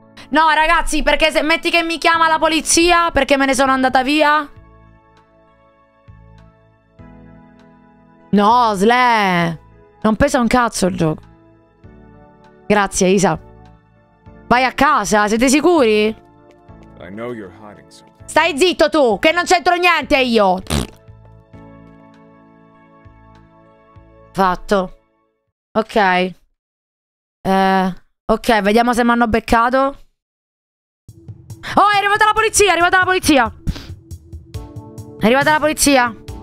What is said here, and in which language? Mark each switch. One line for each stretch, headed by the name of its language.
Italian: No, ragazzi, perché se metti che mi chiama la polizia perché me ne sono andata via? No, Sle. Non pesa un cazzo il gioco. Grazie, Isa. Vai a casa, siete sicuri?
English: I know you're hiding something.
Italian: Stai zitto tu, che non c'entro niente io. Fatto. Ok. Ok, vediamo se mi hanno beccato. Oh, è arrivata la polizia, è arrivata la polizia. È arrivata la polizia.